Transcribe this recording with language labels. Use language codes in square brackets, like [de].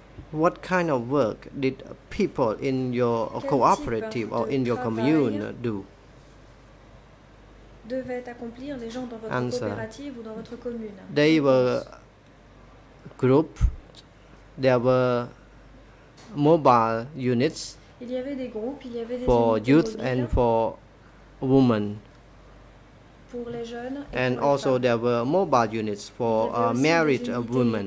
[en] What kind of work did people in your cooperative or in your commune do? [fr] Devaient accomplir les gens dans votre coopérative ou dans votre commune. [en] They were grouped. There were mobile units. [fr] Il y avait des groupes, il y avait des [en] for youth and for women. [fr] Pour les jeunes. [en] And also there were mobile units for married women.